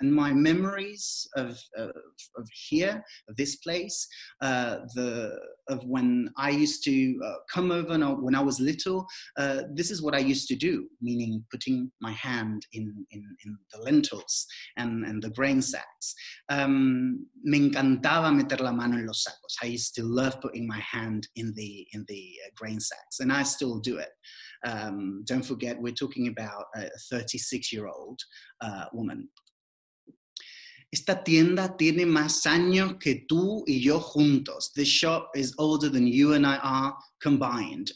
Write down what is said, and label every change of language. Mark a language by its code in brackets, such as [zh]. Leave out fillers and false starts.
[en] And my memories of here, of this place, of when I used to come over when I was little, this is what I used to do, meaning putting my hand in the lentils and the grain sacks. [es] Me encantaba meter la mano en los sacos. [en] I used to love putting my hand in the grain sacks, and I still do it. Don't forget, we're talking about a 36-year-old woman. [es] Esta tienda tiene más años que tú y yo juntos. [en] This shop is older than you and I are combined.